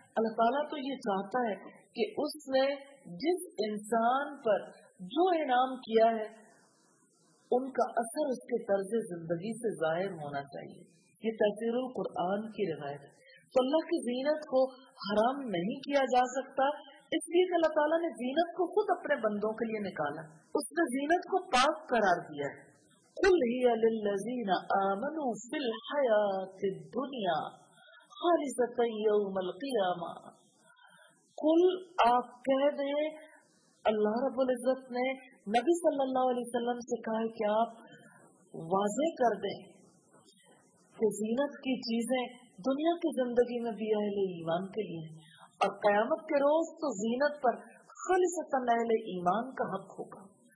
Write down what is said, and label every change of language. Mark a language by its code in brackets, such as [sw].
[ur] اللہ تعالیٰ تو یہ چاہتا ہے کہ اس نے جس انسان پر جو انعام کیا ہے ان کا اثر اس کے طرز زندگی سے ظاہر ہونا چاہیے. یہ تفسیر القرآن کی روایت ہے. تو اللہ کی زینت کو حرام نہیں کیا جا سکتا، اس لیے کہ اللہ تعالیٰ نے زینت کو خود اپنے بندوں کے لیے نکالا، اس نے زینت کو پاک قرار دیا ہے. [ar] قل هي للذين آمنوا في الحياة الدنيا خالصة يوم القيامة. [ur] قل، آپ کہہ دیں، اللہ رب العزت نے نبی صلی اللہ علیہ وسلم سے کہا ہے کہ آپ واضح کر دیں کہ زینت کی چیزیں دنیا کی زندگی میں بھی اہل ایمان کے لیے ہیں، اور قیامت کے روز تو زینت پر خالص اہل ایمان کا حق ہوگا.